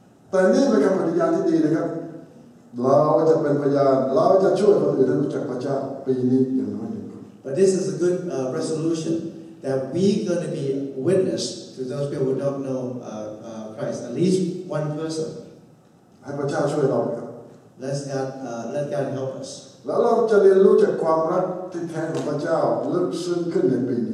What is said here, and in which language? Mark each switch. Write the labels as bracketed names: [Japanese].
[Thai] แต่นี่เป็นคำปฏิญาณที่ดีนะครับเราจะเป็นพยานเราจะช่วยคนอื่นให้รู้จักพระเจ้าปีนี้อย่างน้อยหนึ่ง [English] But this is a good resolution that we're going to be witnessTo those people who don't know Christ, at least one person. [Thai] ให้พระเจ้าช่วยเราครับ [English] Let God help us. [Thai] แล้วเราจะเรียนรู้จากความรักที่แท้ของพระเจ้าลึกซึ้งขึ้นในปีนี